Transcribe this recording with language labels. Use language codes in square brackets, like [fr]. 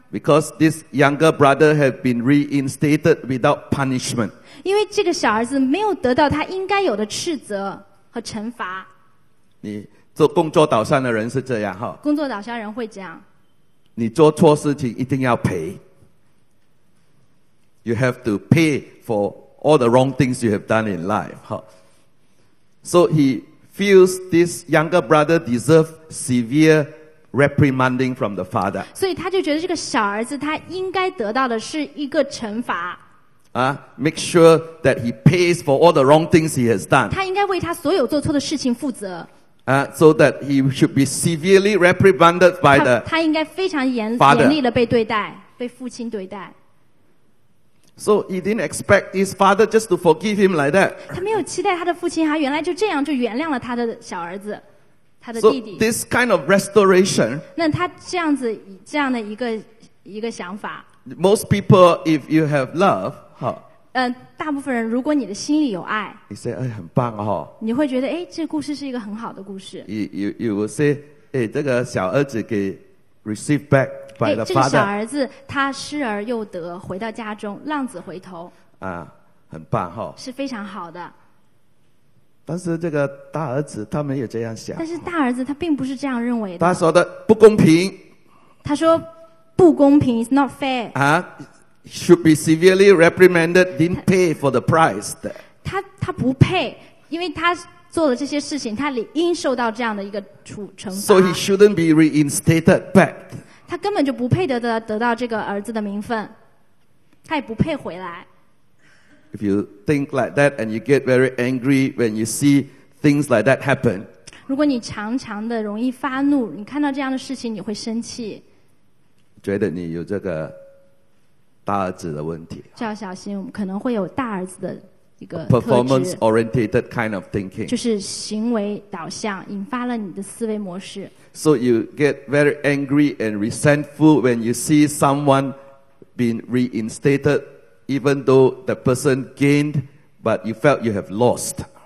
[en] ？Because this younger brother had been reinstated without punishment. [zh] 因为这个小儿子没有得到他应该有的斥责和惩罚。你做工作导向的人是这样哈？工作导向人会这样。你做错事情一定要赔。 [en] You have to pay for all the wrong things you have done in life. Huh? So he feels this younger brother deserves severe reprimanding from the father. [zh] 所以他就觉得这个小儿子他应该得到的是一个惩罚。 [en] Make sure that he pays for all the wrong things he has done. [zh] 他应该为他所有做错的事情负责。 [en] So that he should be severely reprimanded by the father. [zh] 他应该非常严厉的被对待，被父亲对待。 [en] So he didn't expect his father just to forgive him like that. [zh] 他没有期待他的父亲，他原来就这样就原谅了他的小儿子，他的弟弟。 [en] So this kind of restoration. [zh] 那他这样的一个想法。 [en] Most people, if you have love, [zh] 大部分人如果你的心里有爱，你说哎很棒哦，你会觉得哎这故事是一个很好的故事。 [en] You will say, [zh] 哎这个小儿子给 [en] received back by the father. [zh] 这个小儿子他失而又得，回到家中浪子回头。很棒哦，是非常好的。但是这个大儿子他没有这样想。但是大儿子他并不是这样认为的。他说的不公平。他说不公平 , [en] it's not fair. Should be severely reprimanded, didn't pay for the price. [zh] 他不配，因为他做了这些事情，他理应受到这样的一个处惩罚。 [en] So he shouldn't be reinstated back. [zh] 他根本就不配得到这个儿子的名分，他也不配回来。 [en] If you think like that and you get very angry when you see things like that happen. [zh] 如果你常常的容易发怒，你看到这样的事情你会生气。觉得你有这个大儿子的问题。就要小心，我们可能会有大儿子的一个特质。 [en] Performance oriented kind of thinking. [zh] 就是行为导向，引发了你的思维模式。 [en] So you get very angry and resentful when you see someone being reinstated, even though the person gained, but you felt you have lost.